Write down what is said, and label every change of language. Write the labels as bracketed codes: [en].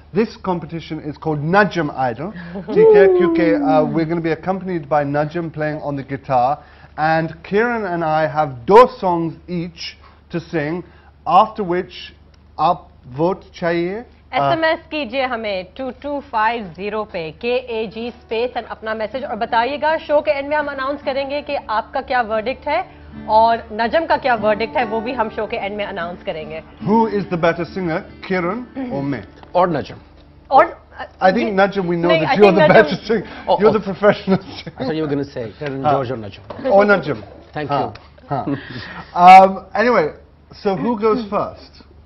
[en] This competition is called Najm Idol. TKQK, we're going to be accompanied by Najm playing on the guitar. And Kiran and I have 2 songs each to sing, after which, [hi] aap vote chahiye. SMS कीजिए हमें 2250 पे KAG space and अपना message. और बताइएगा, show के end में हम announce करेंगे कि आपका क्या verdict है. और नजम का क्या वर्डिक्ट है वो भी हम शो के एंड में अनाउंस करेंगे. [en] Who is the better singer, Kiran or me? Or Najm? Or I think Najm. We know that you're the better singer. You're the professional singer. I thought you were going to say Kiran, George or Najm. Or Najm. Thank you. Anyway, so who goes first?